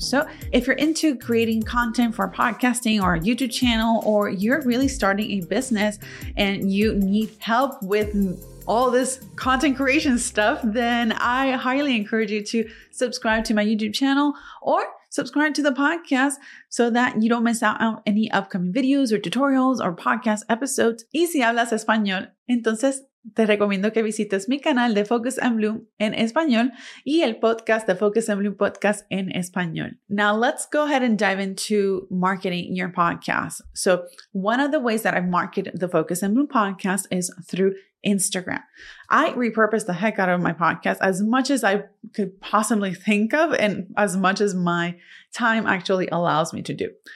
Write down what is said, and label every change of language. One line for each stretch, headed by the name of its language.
English: So if you're into creating content for podcasting or a YouTube channel, or you're really starting a business and you need help with all this content creation stuff, then I highly encourage you to subscribe to my YouTube channel or subscribe to the podcast so that you don't miss out on any upcoming videos or tutorials or podcast episodes.
Spanish: Y si hablas español, entonces te recomiendo que visites mi canal de Focus and Bloom en español y el podcast, the Focus and Bloom podcast en español.
English: Now let's go ahead and dive into marketing your podcast. So one of the ways that I market the Focus and Bloom podcast is through Instagram. I repurposed the heck out of my podcast as much as I could possibly think of and as much as my time actually allows me to do.